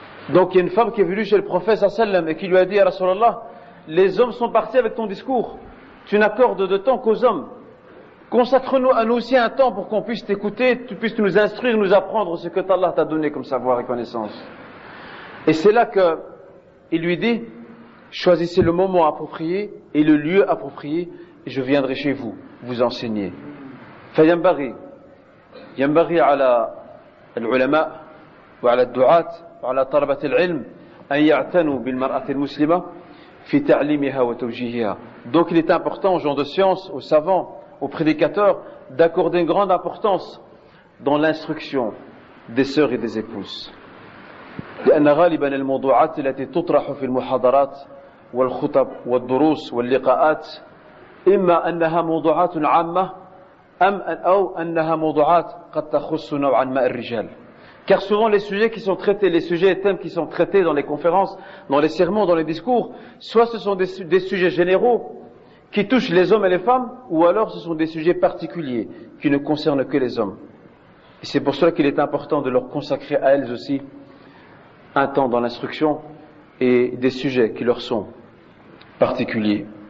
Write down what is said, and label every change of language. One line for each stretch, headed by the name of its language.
French: Donc il y a une femme qui est venue chez le prophète sallallahu alayhi wa sallam et qui lui a dit, ya Rasulallah, les hommes sont partis avec ton discours, tu n'accordes de temps qu'aux hommes, consacre-nous à nous aussi un temps pour qu'on puisse t'écouter, tu puisses nous instruire, nous apprendre ce que Allah t'a donné comme savoir et connaissance. Et c'est là que il lui dit, choisissez le moment approprié et le lieu approprié et je viendrai chez vous vous enseigner.
Arabic: فينبغي على العلماء وعلى الدعاة وعلى طلبة العلم أن يعتنوا بالمرأة المسلمة في تعليمها وتوجيهها.
French: Donc il est important aux gens de science, aux savants, aux prédicateurs d'accorder une grande importance dans l'instruction des sœurs et des épouses.
Arabic: لأن غالبا الموضوعات التي تطرح في المحاضرات والخطب والدروس واللقاءات إما أنها موضوعات عامة أو أنها موضوعات قد تخص نوعا ما الرجال.
French: Car souvent les sujets qui sont traités, les sujets et thèmes qui sont traités dans les conférences, dans les sermons, dans les discours, soit ce sont des sujets généraux qui touchent les hommes et les femmes, ou alors ce sont des sujets particuliers qui ne concernent que les hommes. Et c'est pour cela qu'il est important de leur consacrer à elles aussi un temps dans l'instruction et des sujets qui leur sont particuliers.